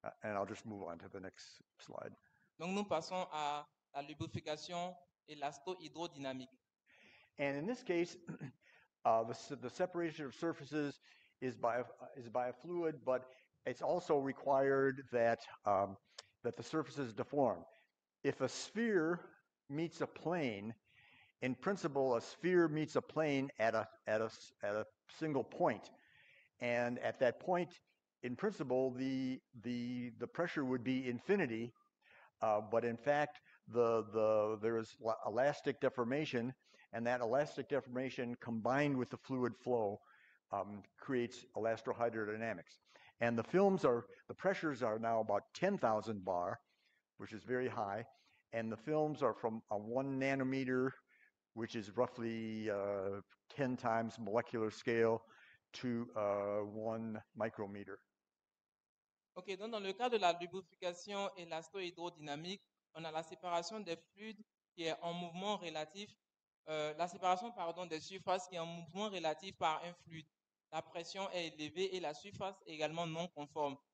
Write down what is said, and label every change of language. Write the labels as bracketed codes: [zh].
[en] And I'll just move on to the next slide. [fr] Donc nous passons à la lubrification élasto-hydrodynamique. [en] And in this case, the separation of surfaces is by a fluid, but it's also required that that the surfaces deform. If a sphere meets a plane, in principle, a sphere meets a plane at a single point, and at that point, in principle, the pressure would be infinity, but in fact, there is elastic deformation, and that elastic deformation combined with the fluid flow creates elastohydrodynamics. And the pressures are now about 10,000 bar, which is very high, and the films are from a 1 nanometer, which is roughly 10 times molecular scale, to 1 micrometer. [fr] OK, donc dans le cas de la lubrification élasto-hydrodynamique, on a la séparation des fluides qui est en mouvement relatif, des surfaces qui est en mouvement relatif par un fluide. La pression est élevée et la surface est également non conforme.